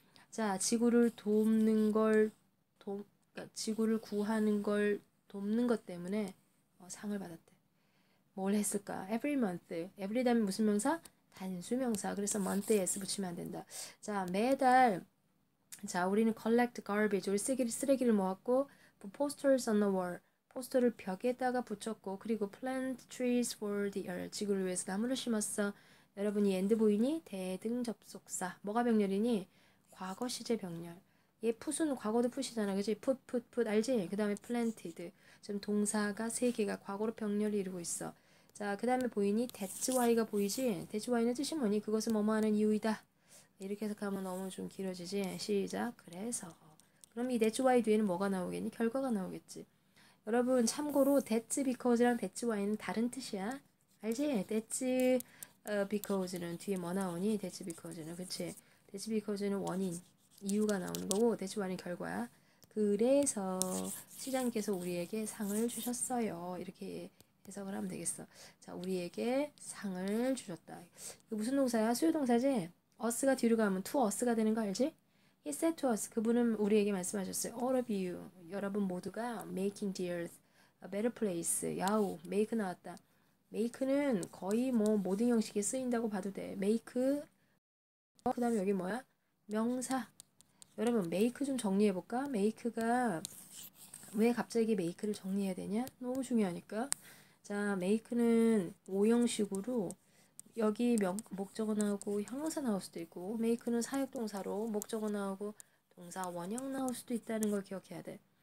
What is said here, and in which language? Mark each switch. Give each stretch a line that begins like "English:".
Korean: 자, 지구를 돕는 걸 그러니까 지구를 구하는 걸 돕는 것 때문에 상을 받았대. 뭘 했을까?
English: Every month.
Korean: Every 다음에 무슨 명사? 단수명사. 그래서 month에 s 붙이면 안 된다. 자, 매달 자, 우리는
English: collect garbage.
Korean: 우리 쓰레기를 모았고
English: posters on the wall.
Korean: 포스터를 벽에다가 붙였고 그리고
English: plant trees for the earth.
Korean: 지구를 위해서 나무를 심었어. 여러분이 end 보이니? 대등 접속사. 뭐가 병렬이니? 과거 시제 병렬. 얘 put은 과거도 put이잖아. 그치? put 알지? 그 다음에 planted. 지금 동사가 세 개가 과거로 병렬을 이루고 있어. 자, 그 다음에 보이니? That's why가 보이지? That's why는 뜻이 뭐니? 그것은 뭐뭐 하는 이유이다. 이렇게 해석하면 너무 좀 길어지지? 시작. 그래서. 그럼 이 That's why 뒤에는 뭐가 나오겠니? 결과가 나오겠지. 여러분, 참고로 That's because랑 That's why는 다른 뜻이야. 알지? That's because는 뒤에 뭐 나오니? That's because는. 그치? That's because는 원인. 이유가 나오는 거고, That's why는 결과야. 그래서 시장님께서 우리에게 상을 주셨어요. 이렇게. 해석을 하면 되겠어. 자, 우리에게 상을 주셨다. 이거 무슨 동사야? 수요 동사지? us가 뒤로 가면 to us가 되는 거 알지?
English: He said to us.
Korean: 그분은 우리에게 말씀하셨어요.
English: All of you. 여러분 모두가 making the earth a better place.
Korean: 야우. make 나왔다. make는 거의 뭐 모든 형식에 쓰인다고 봐도 돼. make. 그다음에 여기 뭐야? 명사. 여러분 make 좀 정리해볼까? make가 왜 갑자기 make를 정리해야 되냐? 너무 중요하니까. 자, 메이크는 5형식으로 여기 목적어 나오고 형용사 나올 수도 있고 메이크는 사역동사로 목적어 나오고 동사 원형 나올 수도 있다는 걸 기억해야 돼.